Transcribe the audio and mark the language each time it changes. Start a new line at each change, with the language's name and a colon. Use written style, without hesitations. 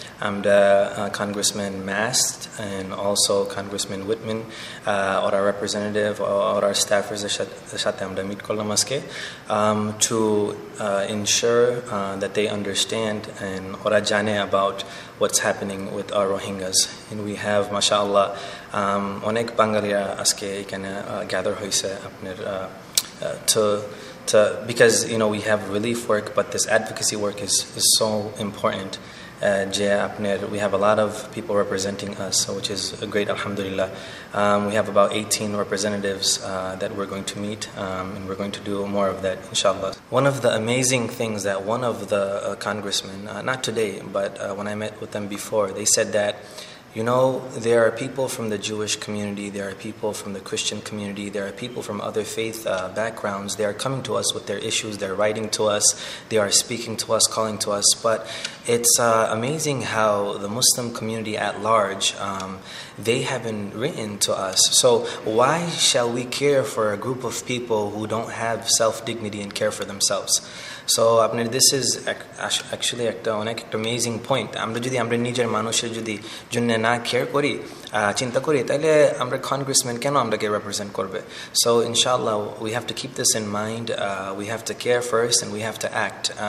English: আমরা congressman Mast and also congressman Wittman, ওরা representative,
Bangla: ওরা স্টাফের সাথে আমরা মিট করলাম আজকে,
English: to ensure that they understand and
Bangla: ওরা জানে
English: About what's happening with our Rohingyas. And we have, mashallah,
Bangla: onek bangaliya aske ekhane gather hoyse apnar to
English: because you know we have relief work, but this advocacy work is so important.
Bangla: Je apnar
English: we have a lot of people representing us, so which is a great alhamdulillah. We have about 18 representatives that we're going to meet, and we're going to do more of that, inshallah. One of the amazing things that one of the congressmen, not today, but when I met with them before, they said that, you know, there are people from the Jewish community, there are people from the Christian community, there are people from other faith backgrounds. They are coming to us with their issues, they're writing to us, they are speaking to us, calling to us. But it's amazing how the Muslim community at large, they haven't written to us. So why shall we care for a group of people who don't have self-dignity and care for themselves? So আপনার this is actually
Bangla: একটা অনেক একটা
English: Amazing point.
Bangla: আমরা যদি আমরা নিজের মানুষের যদি জন্য না কেয়ার করি, চিন্তা করি, তাহলে আমরা কংগ্রেসম্যান কেন আমরাকে রিপ্রেজেন্ট করবে?
English: So ইনশাআল্লাহ we have to keep this in mind, we have to care first and we have to act.